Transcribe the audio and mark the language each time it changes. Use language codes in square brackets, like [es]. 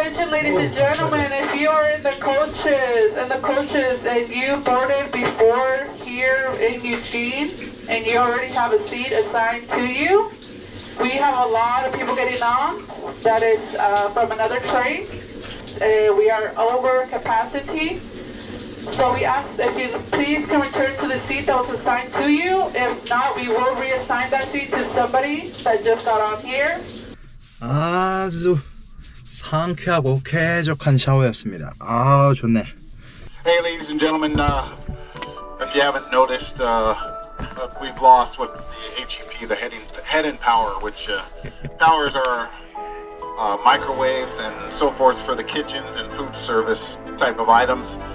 [en] Ladies and gentlemen, if you are in the coaches and you boarded before here in Eugene and you already have a seat assigned to you, we have a lot of people getting on that is from another train. We are over capacity. So we ask if you please can return to the seat that was assigned to you. If not, we will reassign that seat to somebody that just got on here. Azu. [ko] 상쾌하고 쾌적한 샤워였습니다. 아, 좋네. [en] Hey, ladies and gentlemen, if you haven't noticed, we've lost what the HEP, the head-in power, which powers our microwaves and so forth for the kitchens and food service type of items.